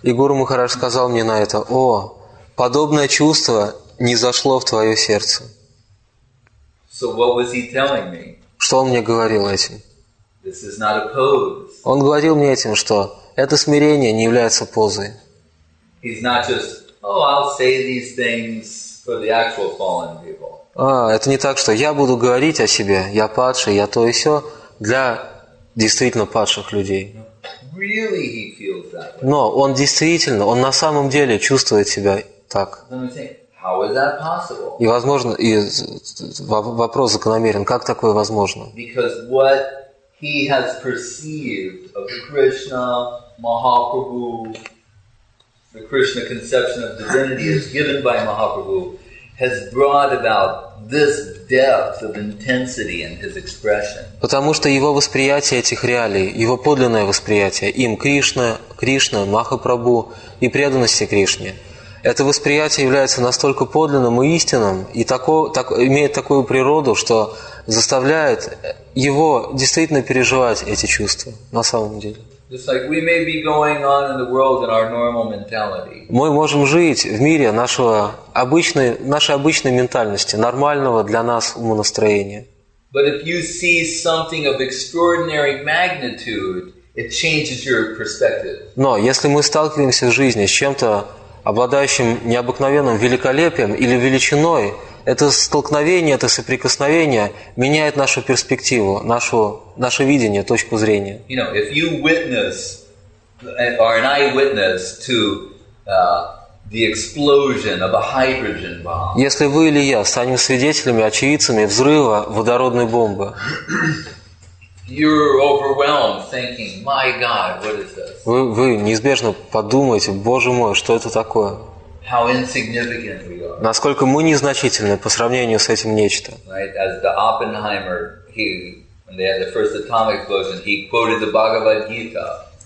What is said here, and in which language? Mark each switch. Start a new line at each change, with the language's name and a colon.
Russian: И Гуру Махарадж сказал мне на это: «О, подобное чувство не зашло в твое сердце».
English: So what was he telling me?
Russian: Что он мне говорил этим?
English: This is not a pose.
Russian: Он говорил мне этим, что это смирение не является позой.
English: He's not just, oh, I'll say these things for the actual fallen people.
Russian: А, это не так, что я буду говорить о себе, я падший, я то и сё, для действительно падших людей.
English: Really he feels that way.
Russian: Но он действительно, он на самом деле чувствует себя так.
English: How is that possible?
Russian: И возможно, и вопрос закономерен, как такое возможно?
English: Because what he has perceived of Krishna, Mahaprabhu, the Krishna conception of divinity is given by Mahaprabhu, has brought about this depth of intensity in his expression.
Russian: Потому что его восприятие этих реалий, его подлинное восприятие им Кришна, Кришна, Махапрабху и преданности Кришне, это восприятие является настолько подлинным и истинным и имеет такую природу, что заставляет его действительно переживать эти чувства на самом деле.
English: Just like we may be going on in the world in our normal mentality.
Russian: Мы можем жить в мире нашей обычной ментальности, нормального для нас умонастроения.
English: But if you see something of extraordinary magnitude, it changes your perspective.
Russian: Но если мы сталкиваемся в жизни с чем-то обладающим необыкновенным великолепием или величиной, это столкновение, это соприкосновение меняет нашу перспективу, наше видение, точку зрения.
English: You know, if you witness, or an eyewitness to the explosion of a hydrogen bomb.
Russian: Если вы или я станем свидетелями, очевидцами взрыва водородной бомбы,
English: you're overwhelmed, thinking, "My God, what is this?"
Russian: Вы неизбежно подумаете: "Боже мой, что это такое?"
English: How insignificant we are.
Russian: Насколько мы незначительны по сравнению с этим нечто.
English: Right? As the Oppenheimer, when they had the first atomic explosion, he quoted the Bhagavad Gita.